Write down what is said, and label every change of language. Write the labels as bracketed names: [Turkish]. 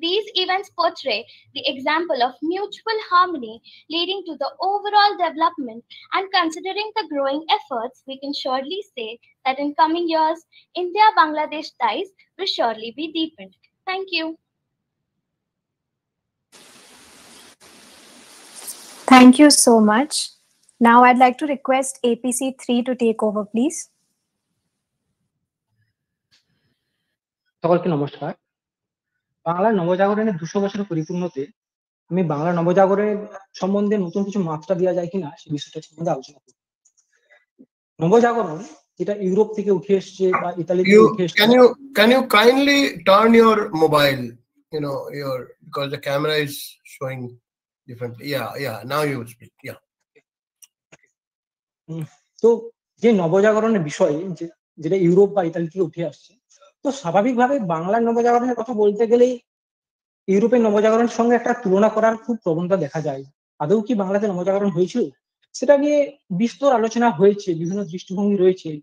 [English] These events portray the example of mutual harmony leading to the overall development, and considering the growing efforts, we can surely say that in coming years, India-Bangladesh ties will surely be deepened. Thank you. Thank you so much. Now I'd like to request APC3 to take over, please. [Bangla] সকলকে নমস্কার। বাংলা নবজাগরণের 200 বছর পরিপূর্ণতে আমি বাংলা নবজাগরণের সম্বন্ধে নতুন কিছু মাত্রা দেওয়া যায় কিনা সে বিষয়টা সম্বন্ধে আলোচনা করব। নবজাগরণ যেটা ইউরোপ থেকে উঠে এসেছে বা ইতালি থেকে উঠে এসেছে। [English] Can you kindly turn your mobile, you know, your because the camera is showing differently. Yeah, now you will speak. Yeah. [Bangla] তো যে নবজাগরণের বিষয় যেটা ইউরোপ বা ইতালি থেকে উঠে আসছে, তো স্বাভাবিকভাবে বাংলার নবজাগরণের কথা বলতে গেলেই ইউরোপের নবজাগরণের সঙ্গে একটা তুলনা করার খুব প্রবণতা দেখা যায়। আদৌ কি বাংলাতে নবজাগরণ হয়েছিল সেটা নিয়ে বিস্তর আলোচনা হয়েছে, বিভিন্ন দৃষ্টিভঙ্গি রয়েছে।